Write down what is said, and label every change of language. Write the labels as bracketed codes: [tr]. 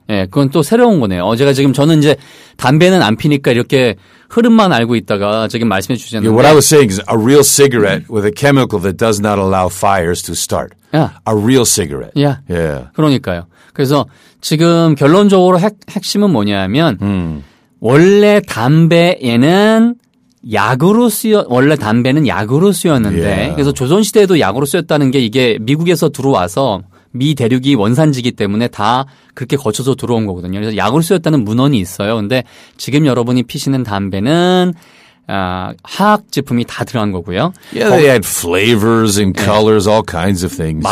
[ko] 예, 그건 또 새로운 거네요. 제가 지금 저는 이제 담배는 안 피니까 이렇게 흐름만 알고 있다가 지금 말씀해 주셨는데. [en] Yeah, what I was saying is a real cigarette with a chemical that does not allow fires to start. Yeah. A real cigarette. Yeah. Yeah. [ko] 그러니까요. 그래서 지금 결론적으로 핵심은 뭐냐면 원래 담배에는 약으로 쓰여 원래 담배는 약으로 쓰였는데 [en] yeah. [ko] 그래서 조선 시대에도 약으로 쓰였다는 게 이게 미국에서 들어와서 미 대륙이 원산지이기 때문에 다 그렇게 거쳐서 들어온 거거든요. 그래서 약으로 쓰였다는 문헌이 있어요. 근데 지금 여러분이 피시는 담배는 화학 제품이 다 들어간 거고요. [en] Yeah, they add flavors and colors, [ko] 네. [en] all kinds of things.